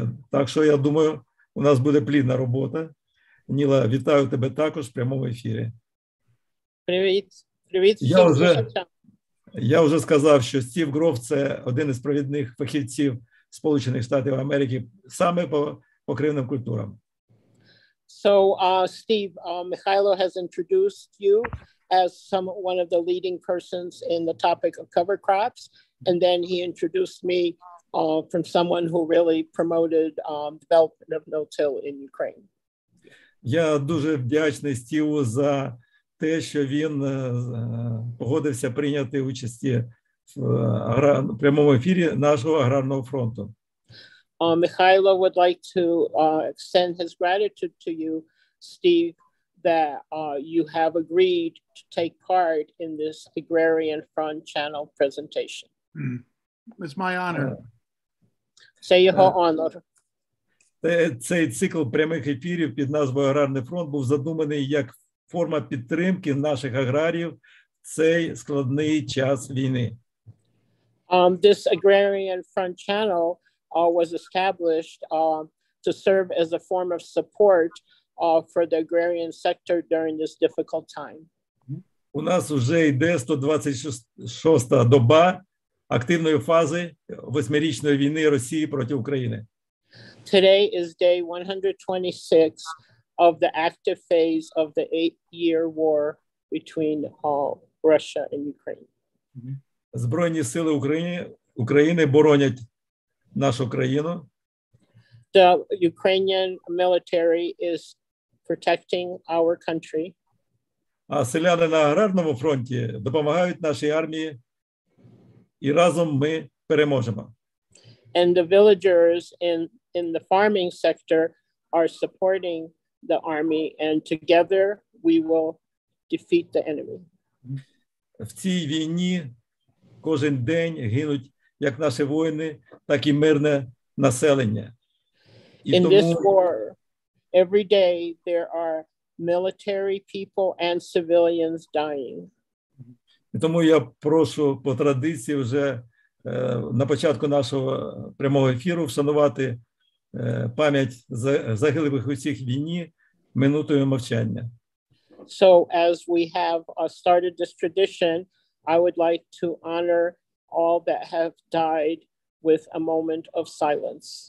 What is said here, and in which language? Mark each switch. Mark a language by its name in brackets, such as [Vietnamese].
[Ukrainian] Так що, я думаю, у нас буде плідна робота. Ніла, вітаю тебе також в прямому ефірі. Привіт. Привіт. Я вже сказав, що Стів Грофф – це один із провідних фахівців Сполучених Штатів Америки саме по покривним культурам. [English] So, Steve, Михайло has introduced you as one of the leading persons in the topic of cover crops, and then he introduced me from someone who really promoted development of no-till in Ukraine. [Ukrainian] Я дуже вдячний Стіву за те, що він погодився прийняти участь в прямому ефірі нашого аграрного фронту. [English] Михайло would like to extend his gratitude to you, Steve, that you have agreed to take part in this agrarian front channel presentation. It's my honor. [Ukrainian] Це його honor. Цей цикл прямих ефірів під назвою «Аграрний фронт» був задуманий як форма підтримки наших аграріїв в цей складний час війни. [English] This agrarian front channel was established to serve as a form of support for the agrarian sector during this difficult time. [Ukrainian] У нас вже йде 126-та доба активної фази восьмирічної війни Росії проти України. [English] Today is day 126 of the active phase of the 8-year war between Russia and Ukraine. [Ukrainian] Збройні сили України боронять нашу країну. [English] The Ukrainian military is protecting our country. [Ukrainian] А селяни на аграрному фронті допомагають нашій армії, і разом ми переможемо. [English] And the villagers in the farming sector are supporting the army, and together we will defeat the enemy. [Ukrainian] В цій війні кожен день гинуть як наші воїни, так і мирне населення. [English] In this war, every day there are military people and civilians dying. [Ukrainian] Тому я прошу по традиції вже на початку нашого прямого ефіру вшанувати пам'ять загиблих усіх війні минутою мовчання. [English] So as we have started this tradition, I would like to honor all that have died with a moment of silence.